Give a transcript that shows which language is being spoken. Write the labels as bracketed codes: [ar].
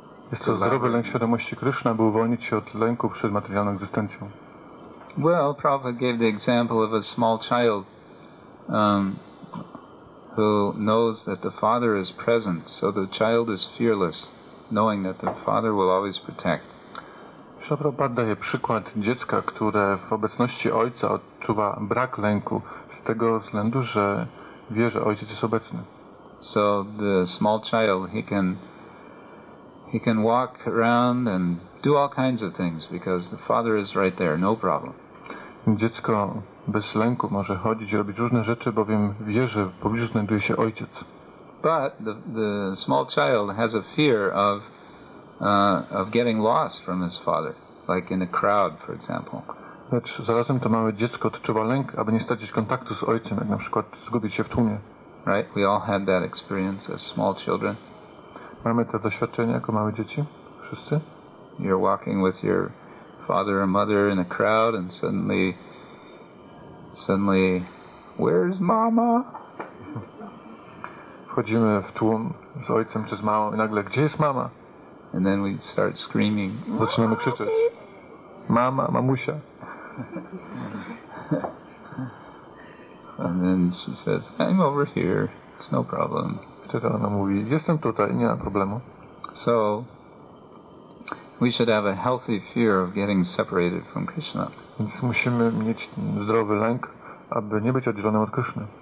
[pl] Jest to zdrowy lęk świadomości Krishna, by uwolnić się od lęku przed materialną egzystencją. [en] Well, Prabhupada gave the example of a small child who knows that the father is present, so the child is fearless, knowing that the father will always protect. [pl] Śla Prabhupada daje przykład dziecka, które w obecności ojca odczuwa brak lęku z tego względu, że wie, że ojciec jest obecny. [en] So the small child, he can walk around and do all kinds of things because the father is right there, no problem. [pl] Dziecko bez lęku może chodzić i robić różne rzeczy, bowiem wie, że w pobliżu znajduje się ojciec. [en] But the small child has a fear of getting lost from his father, like in a crowd, for example. [pl] Lecz zarazem to małe dziecko odczuwa lęk, aby nie stracić kontaktu z ojcem, jak na przykład zgubić się w tłumie. [en] Right, we all had that experience as small children. [pl] Mamy to doświadczenie jako małe dzieci? Wszyscy? [en] You're walking with your father or mother in a crowd and suddenly, where's mama? [pl] Wchodzimy w tłum z ojcem czy z mamą i nagle, gdzie jest mama? [en] And then we start screaming. [pl] Zaczynamy krzyczeć. Mama, mamusia. [en] And then she says, I'm over here. It's no problem. [pl] Ona mówi, jestem tutaj, nie ma problemu. [en] So we should have a healthy fear of getting separated from Krishna. [pl] Więc musimy mieć zdrowy lęk, aby nie być oddzielonym od Krishna.